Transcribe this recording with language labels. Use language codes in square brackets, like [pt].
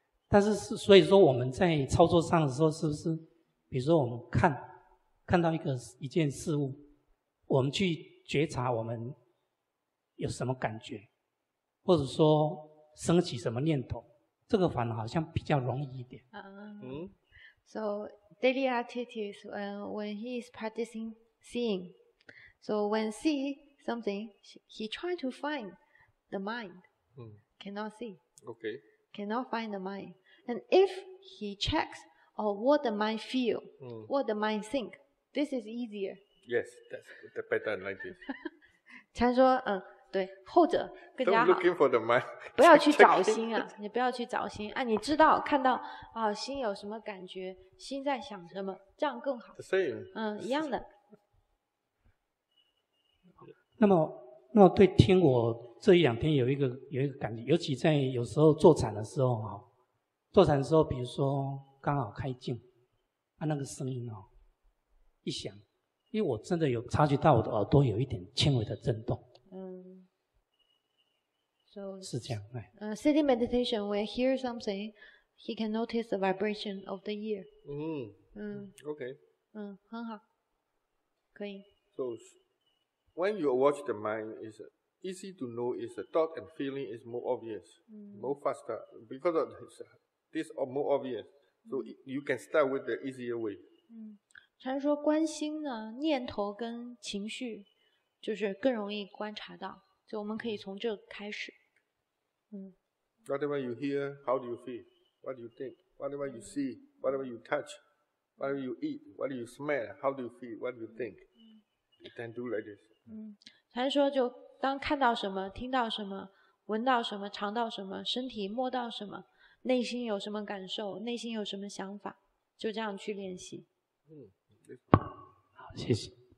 [zh] 但是所以说我们在操作上的时候，是不是比如说我们看到一件事物？我们去觉察我们有什么感觉，或者说升起什么念头，这个反而好像比较容易一点。 [en] So daily activities, when he is practicing seeing, so when see something, he try to find the mind, cannot see, okay, cannot find the mind, and if he checks or what the mind feel, what the mind think, this is easier. Yes, that's the pattern like this. [zh] 禅说，对，后者更加好。 [en] Don't looking for the mind. [zh] 不要去找心啊，你不要去找心啊，你知道看到啊，心有什么感觉，心在想什么，这样更好。 [en] The same. [zh] 一样的。那么对听我这一两天有一个感觉，尤其在有时候坐禅的时候啊，坐禅的时候，比如说刚好开镜，那个声音哦一响，因为我真的有察觉到我的耳朵有一点轻微的震动。是这样。 [en] Sitting meditation, we hear something, he can notice the vibration of the ear. Okay. [zh] 很好，可以。 [en] So, when you watch the mind, it's easy to know if the thought and feeling is more obvious, more faster, because of this more obvious. So, you can start with the easier way. [zh] 常说关心呢，念头跟情绪就是更容易观察到，就我们可以从这开始。 [en] Whatever you hear, how do you feel? What do you think? Whatever you see, whatever you touch, whatever you eat, what do you smell? How do you feel? What do you think? You can do like this. [zh] 禅说就当看到什么、听到什么、闻到什么、尝到什么、身体摸到什么、内心有什么感受、内心有什么想法，就这样去练习。好，谢谢。